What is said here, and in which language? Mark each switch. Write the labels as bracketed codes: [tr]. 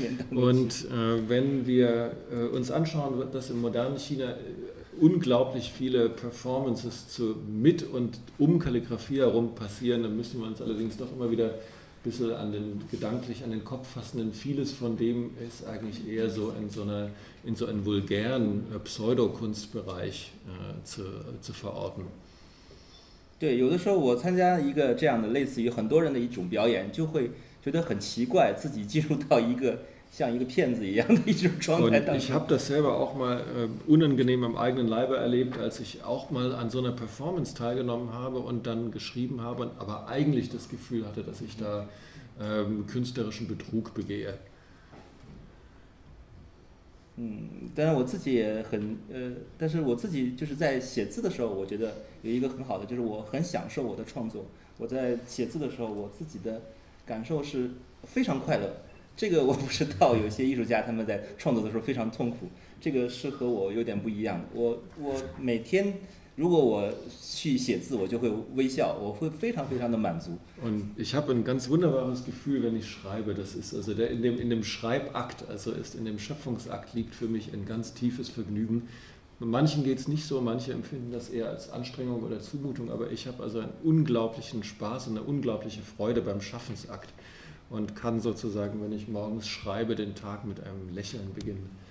[de] Und wenn wir uns anschauen, dass im modernen China unglaublich viele Performances mit und um Kalligraphie herum passieren, dann müssen wir uns allerdings doch immer wieder ein bisschen gedanklich an den Kopf fassen, denn vieles von dem ist eigentlich eher so in so einem vulgären Pseudokunstbereich zu verorten. [zh] 对，有的时候我参加一个这样的类似于很多人的一种表演，就会觉得很奇怪，自己进入到一个像一个骗子一样的一种状态当中。 [de] Ich habe das selber auch mal unangenehm am eigenen Leibe erlebt, als ich auch mal an so einer Performance teilgenommen habe und dann geschrieben habe, aber eigentlich das Gefühl hatte, dass ich da künstlerischen Betrug begehe. [zh] 但是我自己就是在写字的时候，我觉得有一个很好的，就是我很享受我的创作。我在写字的时候，我自己的感受是非常快乐。这个我不知道，有些艺术家他们在创作的时候非常痛苦，这个是和我有点不一样的。我每天如果我去写字，我就会微笑，我会非常非常的满足。 [de] Und ich habe ein ganz wunderbares Gefühl, wenn ich schreibe. Das ist also in dem Schreibakt, also ist in dem Schöpfungsakt liegt für mich ein ganz tiefes Vergnügen. Manchen geht es nicht so, manche empfinden das eher als Anstrengung oder Zumutung, aber ich habe also einen unglaublichen Spaß und eine unglaubliche Freude beim Schaffensakt und kann sozusagen, wenn ich morgens schreibe, den Tag mit einem Lächeln beginnen.